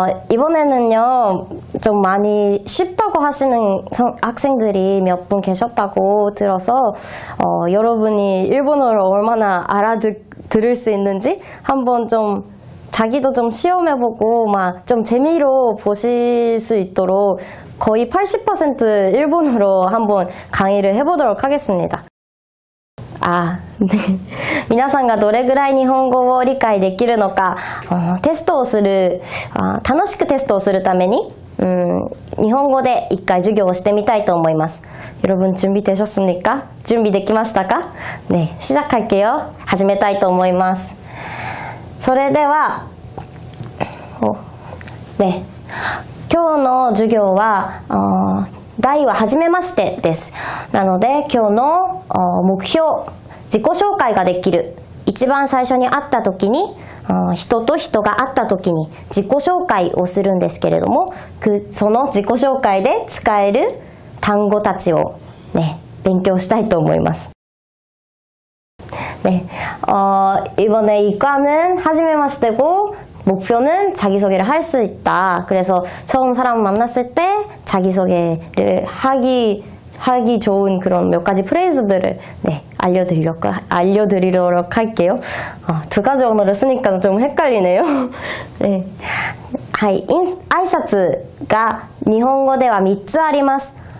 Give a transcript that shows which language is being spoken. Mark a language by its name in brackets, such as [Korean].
[Korean] 이번에는요, 좀 많이 쉽다고 하시는 학생들이 몇 분 계셨다고 들어서 여러분이 일본어를 얼마나 알아들을 수 있는지 한번 좀 자기도 좀 시험해보고 막 좀 재미로 보실 수 있도록 거의 80% 일본어로 한번 강의를 해보도록 하겠습니다. 아, 네. [Japanese] 皆さんが どれぐらい日本語を理解できるのか テストをする楽しくテストをするために 日本語で一回授業をしてみたいと思います. [Korean] 여러분 준비되셨습니까? 준비 [Japanese] できましたか? [Korean] 네, 시작할게요. [Japanese] 始めたいと思います. それでは 今日の授業は第は初めましてです。なので今日の目標、自己紹介ができる。一番最初に会った時に、人と人が会った時に自己紹介をするんですけれども、その自己紹介で使える単語たちを勉強したいと思います。 [Korean] 네, 이번에 2과는 初めまして고 목표는 자기소개를 할 수 있다. 그래서 처음 사람 만났을 때 자기소개를 하기 좋은 그런 몇 가지 프레이즈들을 네, 알려드리도록 할게요. 두 가지 언어를 쓰니까 좀 헷갈리네요. 네. 아이사츠가 일본어 [Japanese] では 3つあります.